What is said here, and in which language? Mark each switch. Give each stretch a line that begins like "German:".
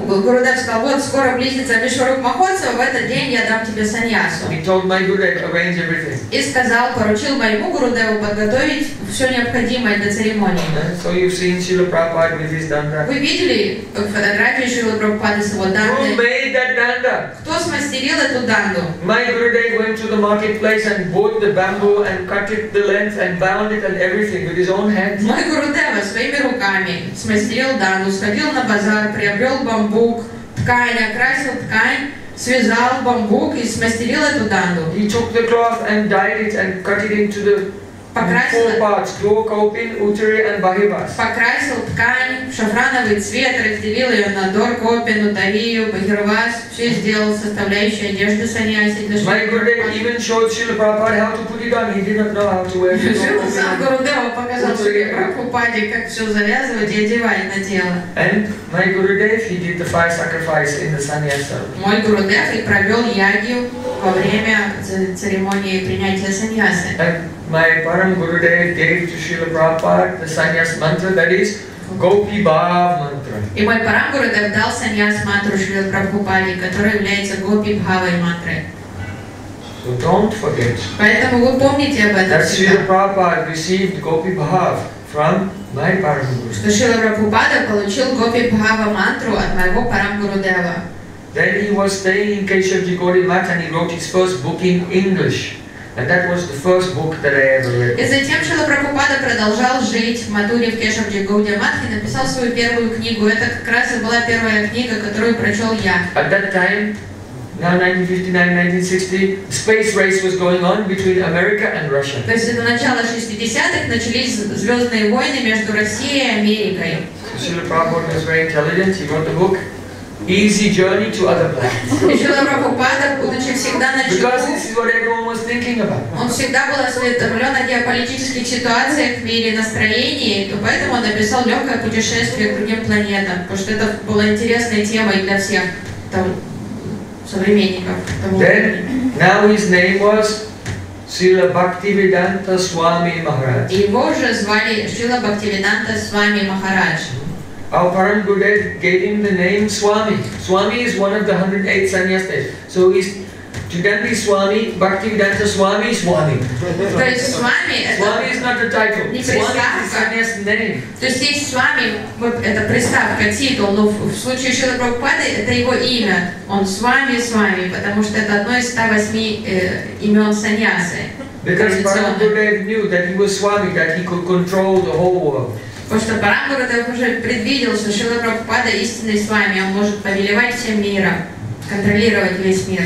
Russian: Гурудев сказал: вот скоро близится Вишварупа Махотсав, в этот день я дам тебе саньясу.
English: He told my Gurudev arrange everything.
Russian: И сказал, поручил моему Гурудеву подготовить все необходимое для церемонии.
English: So you've seen Шрила Прабхупада with his данда.
Russian: Вы видели фотографию Шрилы Прабхупады с его дандой?
English: Who made that данда?
Russian: Кто смастерил эту данду?
English: My Gurudev went to the marketplace and bought the bamboo and cut it the length and bound it and everything with his own hands.
Russian: Мой Гурудева своими руками смастерил данду, сходил на базар, приобрел бамбук, ткань, окрасил ткань, связал бамбук и смастерил эту данду.
English: He took the cloth and dyed it and cut it into the
Russian: покрасил,
English: four parts, Dua, Kaupin, Uttari and Bahivas.
Russian: Покрасил ткань в шафрановый цвет, разделил ее на Дор, Каупин, Уттарию, Бахирвас, все сделал составляющие одежды саньяси.
English: My Gurudev even showed Srila Prabhupada how to put it on, he didn't know how to wear it.
Russian: Сам Гурудева показал Шриле Прабхупаде, как все завязывать и одевать на тело.
English: And my Gurudev, he did the fire sacrifice in the sannyasa.
Russian: Мой Гурудев и провел ягью во время церемонии принятия саньясы.
English: My Param Gurudev gave to Srila Prabhupada the Sanyas mantra, that is Gopi Bhav mantra.
Russian: И мой Param Gurudev дал Sanyas mantra Srila Prabhupada, которая является Gopi Bhava mantra.
English: So don't forget.
Russian: Поэтому вы помните об этом.
English: That Srila Prabhupada received Gopi Bhav from my Param Gurudev.
Russian: Что Srila Prabhupada получил Gopi Bhava mantra от моего Param Gurudeva.
English: Then he was staying in Keshav Jigori Math and he wrote his first book in English. And that was the first book that I ever read.
Russian: И затем Шрила Прабхупада продолжал жить в Матуре в Кешавджи Гауди Матхе, написал свою первую книгу. Это как раз и была первая книга, которую прочел я.
English: At that time, now 1959-1960, space race was going on between America and Russia.
Russian: То есть до начала 60-х начались звездные войны между Россией и Америкой.
English: Шрила Прабхупада was very intelligent. He wrote the book Easy Journey to Other Planets.
Russian: Шрила Прабхупада, будучи всегда на чеку,
English: because this is what everyone was thinking about.
Russian: Он всегда был осведомлен о геополитических ситуациях в мире, настроении, то поэтому он написал легкое путешествие к другим планетам, потому что это была интересная тема для всех там современников.
English: Then, now his name was Srila Bhaktivedanta Swami Maharaj.
Russian: Его же звали Шрила Бхактивиданта Свами Махарадж.
English: Our Param Gurudev gave him the name Swami. Swami is one of the 108 sannyasis. So he's Jugandhi Swami, Bhaktivedanta Swami, Swami. Swami is not a title. Swami is his name.
Russian: То есть Swami — это приставка, титул, но в случае Шрилы Прабхупады это его имя. Он Swami, Swami, потому что это одно из 108 имен саньясы.
English: Because Param Gurudev knew that he was Swami, that he could control the whole world.
Russian: Потому что Param Gurudev уже предвидел, что Шрила Прабхупада истинный с вами, он может повелевать всем миром, контролировать весь мир.